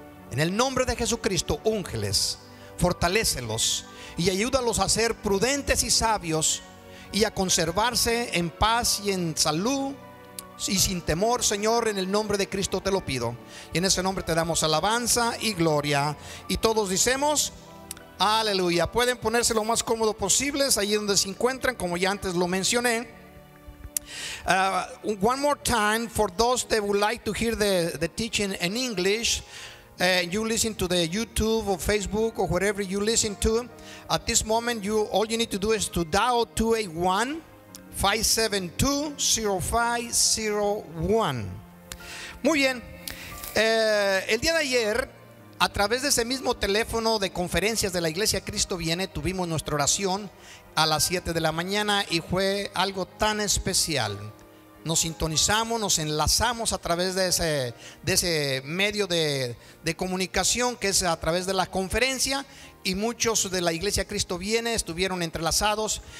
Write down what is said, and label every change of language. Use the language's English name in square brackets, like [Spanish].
[Spanish] En el nombre de Jesucristo, úngeles, fortalécelos y ayúdalos a ser prudentes y sabios y a conservarse en paz y en salud y sin temor, Señor, en el nombre de Cristo te lo pido. Y en ese nombre te damos alabanza y gloria. Y todos decimos, aleluya. Pueden ponerse lo más cómodo posible allí donde se encuentran, como ya antes lo mencioné. [English] One more time, for those that would like to hear the teaching in English, you listen to the YouTube or Facebook or wherever you listen to. At this moment, all you need to do is to dial 281-572-0501. [Spanish] Muy bien. El día de ayer, a través de ese mismo teléfono de conferencias de la Iglesia Cristo Viene, tuvimos nuestra oración a las 7 de la mañana y fue algo tan especial. Nos sintonizamos, nos enlazamos a través de ese medio de comunicación, que es a través de la conferencia, y muchos de la Iglesia Cristo Viene estuvieron entrelazados.